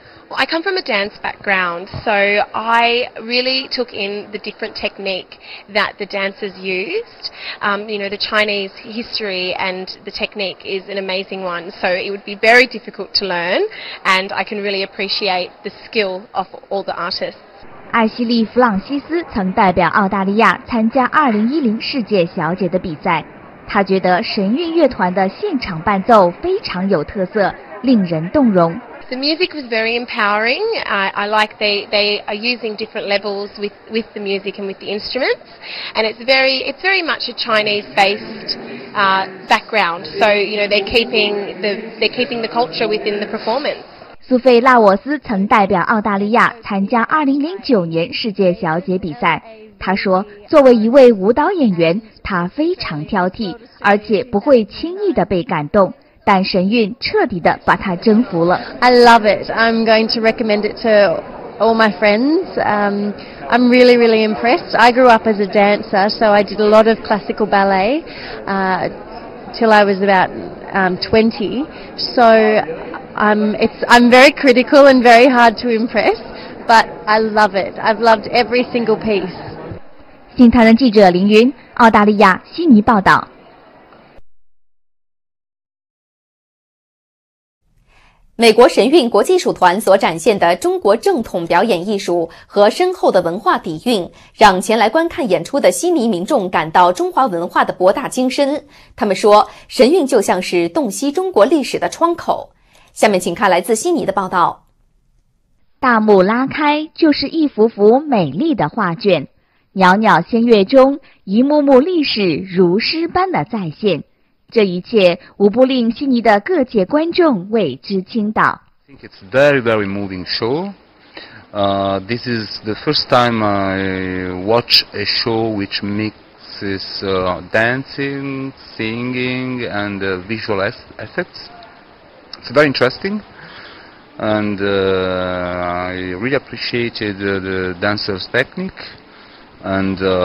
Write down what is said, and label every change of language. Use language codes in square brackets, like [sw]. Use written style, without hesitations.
[en] Well, I come from a dance background, so I really took in the different technique that the dancers used. You know, the Chinese history and the technique is an amazing one, so it would be very difficult to learn, and I can really appreciate the skill of all the artists. [zh] 艾希莉·弗朗西斯曾代表澳大利亚参加2010世界小姐的比赛，她觉得神韵乐团的现场伴奏非常有特色，令人动容。 [en] The music was very empowering. I like they are using different levels with the music and with the instruments, and it's very much a Chinese based background. So you know they're keeping the culture within the performance. [zh] 苏菲·拉沃斯曾代表澳大利亚参加2009年世界小姐比赛。她说，作为一位舞蹈演员，她非常挑剔，而且不会轻易地被感动。但神韵彻底地把她征服了。 [en] I love it. I'm going to recommend it to all my friends. I'm really, really impressed. I grew up as a dancer, so I did a lot of classical ballet till I was about 20. So,I'm very critical and very hard to impress, but I love it. I've loved every single piece. [zh] 新唐人记者凌云，澳大利亚悉尼报道。美国神韵国际属团所展现的中国正统表演艺术和深厚的文化底蕴，让前来观看演出的悉尼民众感到中华文化的博大精深。他们说，神韵就像是洞悉中国历史的窗口。下面请看来自悉尼的报道。大幕拉开，就是一幅幅美丽的画卷，袅袅仙乐中，一幕幕历史如诗般的再现，这一切无不令悉尼的各界观众为之倾倒。 [en] I think it's very, very moving show. This is the first time I watch a show which mixes dancing, singing, and visual effects. It's very interesting, and I really appreciated the dancer's technique, and